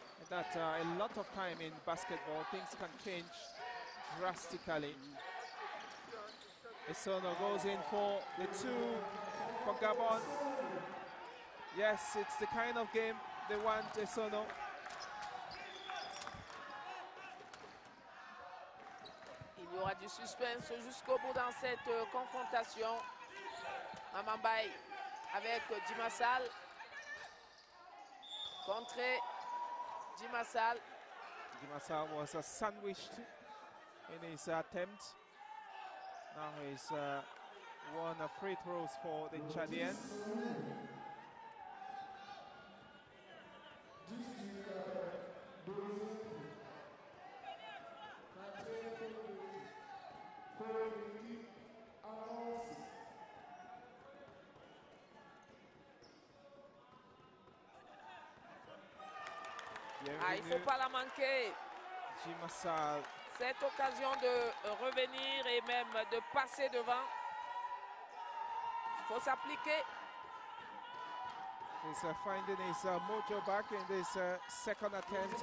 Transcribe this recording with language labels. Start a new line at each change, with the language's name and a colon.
English: That's a lot of time in basketball. Things can change drastically. Esono goes in for the two for Gabon. Yes, it's the kind of game they want, Esono.
French: Il y aura du suspense jusqu'au bout dans cette confrontation. Mamambaye avec Dimassal. Contré Dimassal.
English: Dimassal was sandwiched in his attempt. Now he's won a free throws for the Chadian.
French: Ah, il ne faut pas la manquer. Dimassal. Cette occasion de revenir et même de passer devant. Il faut s'appliquer.
English: He's finding his mojo back in this second attempt.